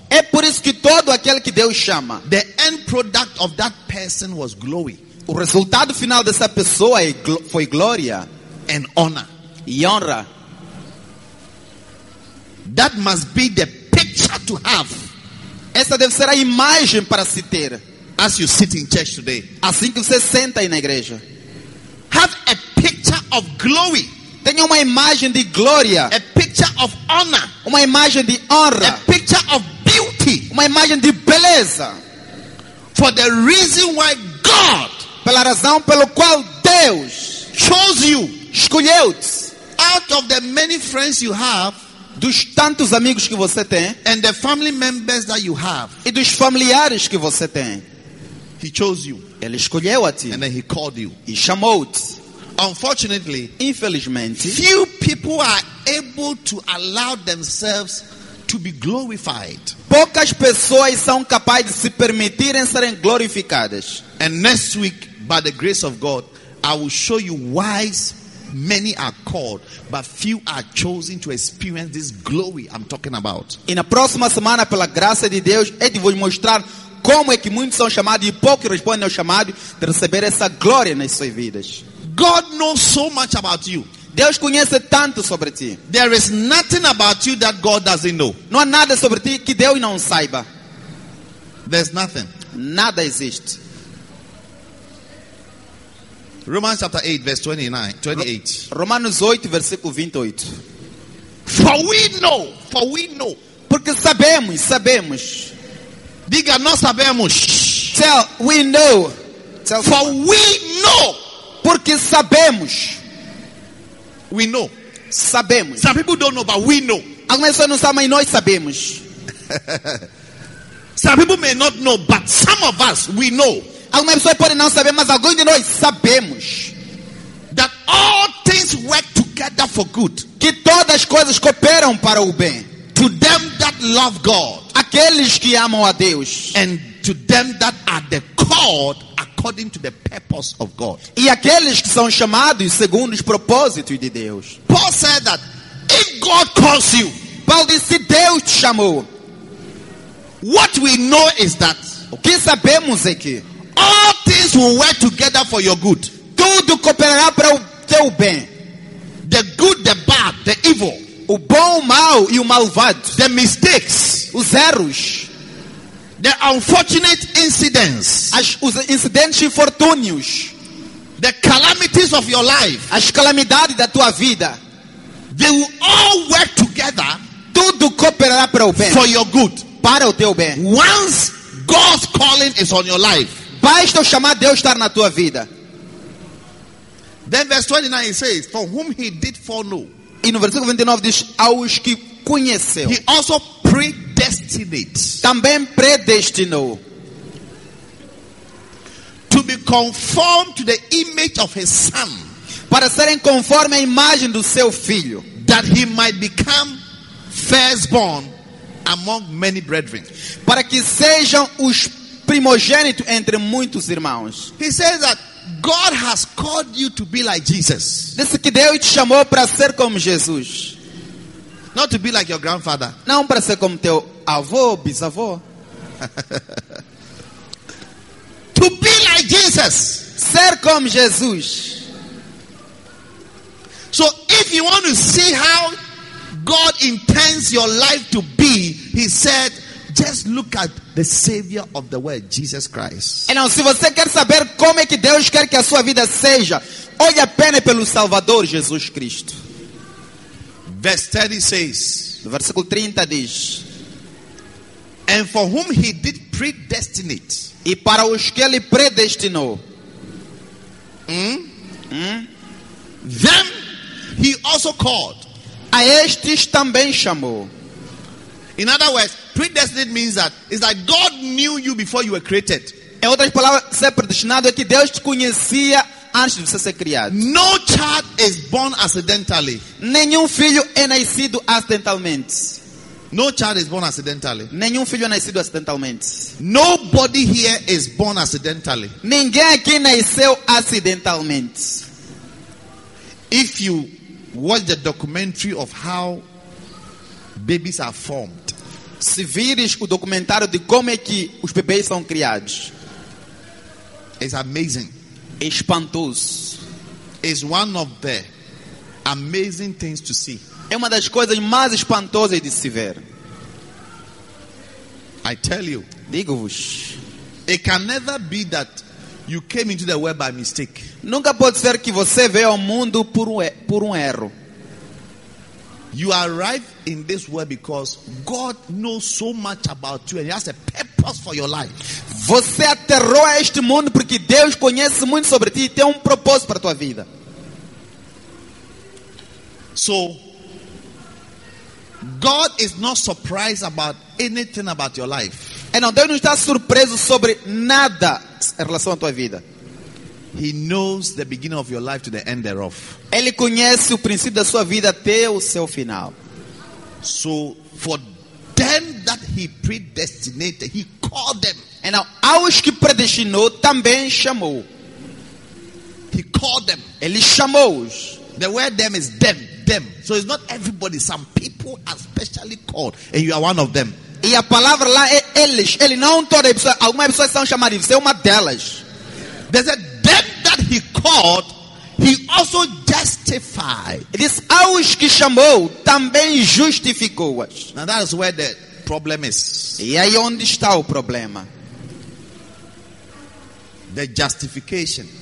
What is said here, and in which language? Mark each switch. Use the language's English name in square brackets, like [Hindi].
[Portuguese] É por isso que todo aquele que Deus chama. [English] The end product of that person was glory. [Portuguese] O resultado final dessa pessoa foi glória. [English] And honor. [Portuguese] E honra. [English] That must be the picture to have. [Portuguese] Essa deve ser a imagem para se ter. [English] As you sit in church today. [Portuguese] Assim que você senta aí na igreja. [English] Have a picture of glory. [Portuguese] Tenha uma imagem de glória. [English] A picture of honor. [Portuguese] Uma imagem de honra. [English] A picture of beauty. [Portuguese] Uma imagem de beleza. [English] For the reason why God, [Portuguese] pela razão pelo qual Deus, [English] chose you, [Portuguese] escolheu-te, [English] out of the many friends you have, [Portuguese] dos tantos amigos que você tem, [English] and the family members that you have, [Portuguese] e dos familiares que você tem, [English] He chose you, [Portuguese] ele escolheu a ti, [English] and then He called you, [Portuguese] e chamou-te. [English] Unfortunately, [Portuguese] infelizmente, [English] few people are able to allow themselves to be glorified. [Portuguese] Poucas pessoas são capazes de se permitirem serem glorificadas. [English] And next week, by the grace of God, I will show you why many are called, but few are chosen to experience this glory I'm talking about. [Portuguese] E na próxima semana, pela graça de Deus, eu vou mostrar como é que muitos são chamados e poucos respondem ao chamado de receber essa glória nas suas vidas. [English] God knows so much about you. [Portuguese] Deus conhece tanto sobre ti. [English] There is nothing about you that God doesn't know. [Portuguese] Não há nada sobre ti que Deus não saiba. [English] There's nothing. [Portuguese] Nada existe. [English] Romans chapter 8 verse 28. [Portuguese] Romanos 8 versículo 28. [English] For we know. [Portuguese] Porque sabemos. Diga, nós sabemos. [English] Tell, we know. Tell for someone. We know. [Portuguese] Porque sabemos. [English] We know. [Portuguese] Sabemos. [English] Some people don't know, but we know. [Portuguese] Algumas pessoas não sabem, mas nós sabemos. [English] Some people may not know, but some of us, we know. [Portuguese] Algumas pessoas podem não saber, mas alguns de nós sabemos. [English] That all things work together for good. [Portuguese] Que todas as coisas cooperam para o bem. [English] To them that love God. [Portuguese] Aqueles que amam a Deus. [English] And to them that are the called according to the purpose of God. [Portuguese] E aqueles que são chamados segundo os propósitos de Deus. [English] Paul said that if God calls you, [Portuguese] Paulo disse, Deus te chamou. [English] What we know is that, [Portuguese] o que sabemos é que, [English] all things will work together for your good. [Portuguese] Tudo cooperará para o teu bem. [English] The good, the bad, the evil. [Portuguese] O bom, o mal e o malvado. [English] The mistakes, [Portuguese] os erros. [English] The unfortunate incidents, [Portuguese] os incidentes infortúnios, [English] the calamities of your life, [Portuguese] as calamidades da tua vida, [English] they will all work together, [Portuguese] tudo cooperará para o bem, [English] for your good, [Portuguese] para o teu bem. [English] Once God's calling is on your life, [Portuguese] basta o chamar Deus estar na tua vida. [English] Then verse 29 says, for whom he did foreknow, [Portuguese] e no versículo 29 diz, aos que conheceu, [English] he also predestined, [Portuguese] também predestinou, [English] to be conformed to the image of his son, [Portuguese] para serem conforme a imagem do seu filho, [English] that he might become firstborn among many brethren, [Portuguese] para que sejam os primogênitos entre muitos irmãos. [English] He says that God has called you to be like Jesus. [Portuguese] Disse que Deus te chamou para ser como Jesus. [English] Not to be like your grandfather. [Portuguese] Não para ser como teu avô, bisavô. [English] To be like Jesus. [Portuguese] Ser como Jesus. [English] So if you want to see how God intends your life to be, he said, just look at the Savior of the world, Jesus Christ. [Portuguese] Então, se você quer saber como é que Deus quer que a sua vida seja, olhe apenas pelo Salvador Jesus Cristo. Versículo 30 diz: [English] and for whom he did predestinate. [Portuguese] E para os que ele predestinou. [English] Them he also called. [Portuguese] A estes também chamou. [English] In other words, predestined means that it's like God knew you before you were created. [Portuguese] Em outras palavras, ser predestinado é que Deus te conhecia antes de você ser criado. [English] No child is born accidentally. [Portuguese] Nenhum filho é nascido acidentalmente. [English] No child is born accidentally. [Portuguese] Nenhum filho é nascido acidentalmente. [English] Nobody here is born accidentally. [Portuguese] Ninguém aqui nasceu acidentalmente. [English] If you watch the documentary of how babies are formed. [Portuguese] Se vires o documentário de como é que os bebês são criados. [English] It's amazing. [Portuguese] Espantoso. [English] It's one of the amazing things to see. [Portuguese] É uma das coisas mais espantosas de se ver. [English] I tell you, [Portuguese] digo-vos, [English] it can never be that you came into the world by mistake. [Portuguese] Nunca pode ser que você veio ao mundo por um erro. [English] You arrive in this world because God knows so much about you and he has a purpose for your life. [Portuguese] Você aterrou a este mundo porque Deus conhece muito sobre ti e tem propósito para tua vida. [English] So God is not surprised about anything about your life. [Portuguese] Então, Deus não está surpreso sobre nada em relação à tua vida. [English] He knows the beginning of your life to the end thereof. [Portuguese] Ele conhece o princípio da sua vida até o seu final. [English] So for them that he predestinated, he called them. [Portuguese] Então, aos que predestinou, também chamou. [English] He called them. [Portuguese] Ele chamou-os. [English] The word them is them. Them. So it's not everybody, some people are specially called and you are one of them. [Portuguese] E a palavra lá é eles. Ele não toda a pessoa, algumas pessoas são chamadas, você é uma delas. [English] There's a them that he called, he also justified. It is [Portuguese] aos que chamou, também justificou. [English] Now that is where the problem is. [Portuguese] E aí onde está o problema? [English] The justification,